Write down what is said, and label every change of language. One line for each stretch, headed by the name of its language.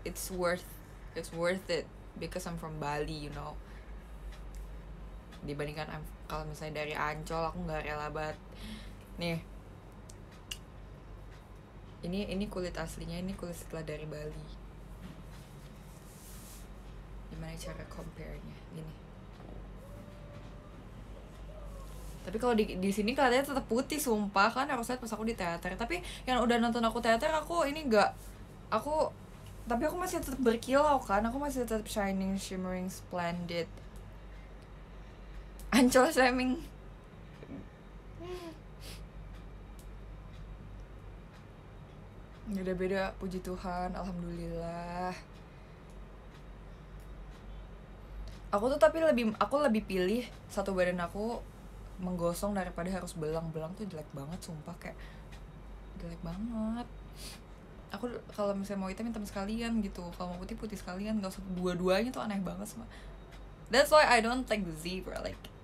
English: It's worth it because I'm from Bali, you know.
Indonesian: Dibandingkan kalau misalnya dari Ancol, aku gak rela banget. Nih. Ini kulit aslinya, ini kulit setelah dari Bali. Gimana cara compare-nya gini. Tapi kalau di sini kelihatannya tetap putih sumpah, kan harus lihat pas aku di teater. Tapi yang udah nonton aku teater, aku ini enggak, aku tapi aku masih tetap berkilau kan, aku masih tetap
English: shining, shimmering, splendid. Ancol shaming.
Indonesian: Ya udah beda, puji Tuhan, alhamdulillah. aku tuh tapi lebih aku lebih pilih satu badan aku menggosong daripada harus belang. Belang tuh jelek banget sumpah, kayak jelek banget. Aku kalau misalnya mau hitam hitam sekalian gitu, kalau mau putih putih sekalian, nggak usah dua-duanya, tuh aneh banget semua.
English: That's why I don't like the zebra, like.